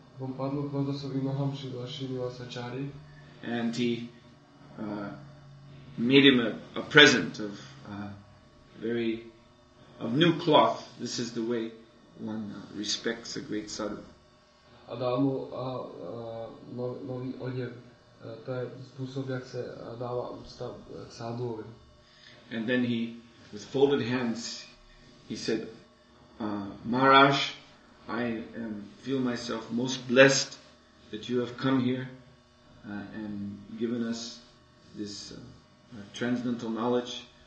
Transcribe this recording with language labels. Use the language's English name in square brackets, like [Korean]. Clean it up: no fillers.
[Czech] On padl k lotosovým nohám Srila Srinivasacharya. [English] And he made him a present of very of new cloth. This is the way one respects a great sadhu. [Czech] A dává mu nový oděv. To je způsob, jak se dává úcta k sadhuovi. [English] And then he, with folded hands, he said, Maharaj, I am feel myself most blessed that you have come here and given us this transcendental knowledge.